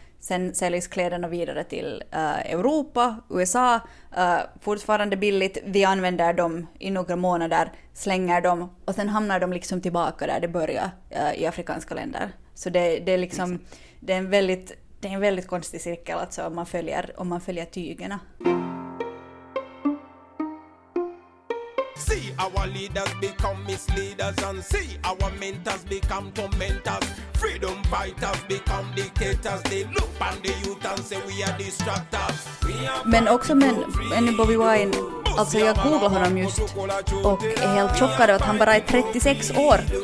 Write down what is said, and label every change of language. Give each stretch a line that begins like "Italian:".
Swedish: Sen säljs kläderna vidare till Europa, USA, fortfarande billigt. Vi använder dem i några månader, slänger dem och sen hamnar de liksom tillbaka där det börjar i afrikanska länder. Så det är liksom, det är en väldigt, det är en väldigt konstig cirkel, alltså, om man följer tygerna.
English: See our leaders become misleaders, and see our mentors become tormentors. Freedom fighters become dictators. They look on the youth and say we are distractors.
Swedish: Men också med Bobby Wine, alltså jag googlar honom just och är helt chockad att han bara är 36 år.